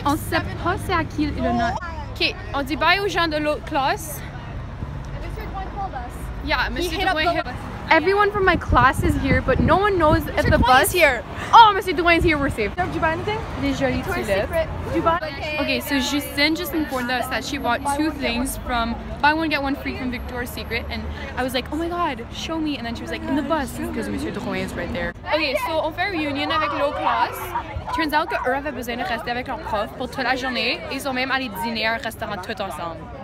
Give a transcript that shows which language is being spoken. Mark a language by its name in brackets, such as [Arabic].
[French] On ne sait pas c'est à qui il en a. Okay, on dit bye aux gens de l'autre classe. [English] Monsieur Drouin called us. Yeah, Monsieur Drouin hit us. Everyone from my class is here, but no one knows Monsieur if the Dwayne's bus is here. Oh, Monsieur Dwayne's here, we're safe. Do you buy anything? [French] Les jolies tulipes. [English] Okay, so Justine just informed us that she bought two things from buy one, get one free from Victoria's Secret. And I was like, oh my god, show me. And then she was like, in the bus, because Monsieur Dwayne is right there. Okay, so [French] on fait reunion avec l'autre class. [English] Turns out [French] que eux avaient besoin de rester avec leur prof pour toute la journée. Ils ont même allé dîner à un restaurant tout ensemble.